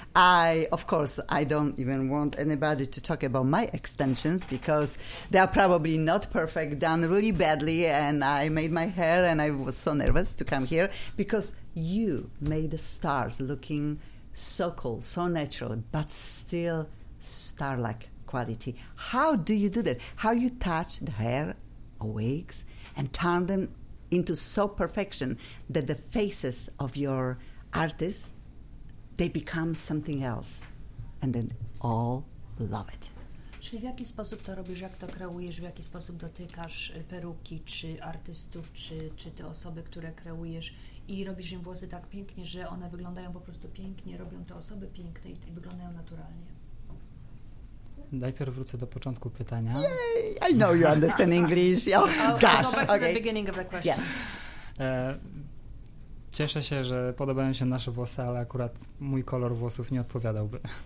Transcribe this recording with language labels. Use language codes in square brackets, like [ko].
[en] I don't even want anybody to talk about my extensions because they are probably not perfect, done really badly, and I made my hair and I was so nervous to come here because you made the stars looking so cool, so natural, but still star-like quality. How do you do that? How you touch the hair, wigs, and turn them into so perfection that the faces of your artists, they become something else. And then all love it. [pl] Czyli w jaki sposób to robisz, jak to kreujesz, w jaki sposób dotykasz peruki, czy artystów, czy te osoby, które kreujesz i robisz im włosy tak pięknie, że one wyglądają po prostu pięknie, robią te osoby piękne i wyglądają naturalnie. Najpierw wrócę do początku pytania. [en] Yay, I know you understand English. Oh, I'll gosh, go back to the beginning of the question. Yes. [pl] Cieszę się, że podobają się nasze włosy, ale akurat mój kolor włosów nie odpowiadałby.